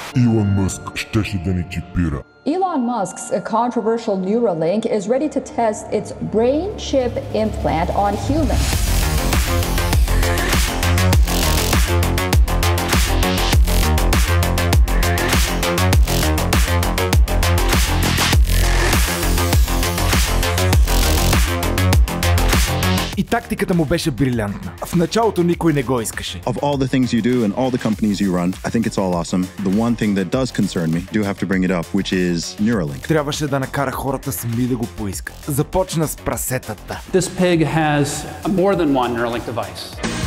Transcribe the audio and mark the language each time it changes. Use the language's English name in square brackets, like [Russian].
[Bulgarian] Илон Мъск щеше да ни чипира. [English] Elon Musk's controversial Neuralink is ready to test its brain chip implant on humans. [Bulgarian] И тактиката му беше брилянтна. В началото никой не го искаше. [English] Of all the things you do and all the companies you run, I think it's all awesome. The one thing that does concern me, do have to bring it up, which is Neuralink. [Bulgarian] Трябваше да накара хората сами да го поискат. Започна с прасетата. [English] This pig has more than one Neuralink device.